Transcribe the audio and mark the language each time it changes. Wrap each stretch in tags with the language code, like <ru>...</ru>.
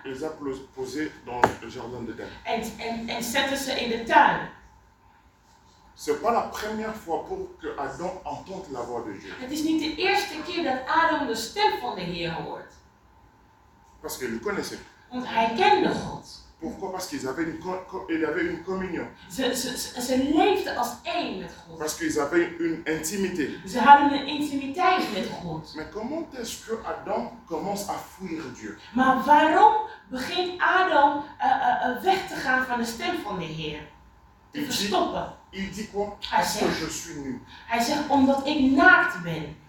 <fr>Les a posés dans le jardin d'Eden.</fr> <nl>En zette ze in de tuin.</nl> <fr>C'est pas la première fois pour que Adam entende la voix de Dieu.</fr> <nl>Het is niet de eerste keer dat Adam de stem van de Heer hoort.</nl> <fr>Parce qu'il le connaissait.</fr> <nl>Want hij kende God.</nl> <fr>Pourquoi? Parce qu'ils avaient une communion.</fr> <nl>Ze leefden als één met God.</nl> <fr>Parce qu'ils avaient une intimité.</fr> <nl>Ze hadden een intimiteit met God.</nl> <fr>Mais comment est-ce que Adam commence à fuir Dieu?</fr> <nl>Maar waarom begint Adam weg te gaan van de stem van de Heer? Te verstoppen.</nl> <fr>Il dit quoi? Parce que je suis nu.</fr> <nl>Hij zegt omdat ik naakt ben.</nl>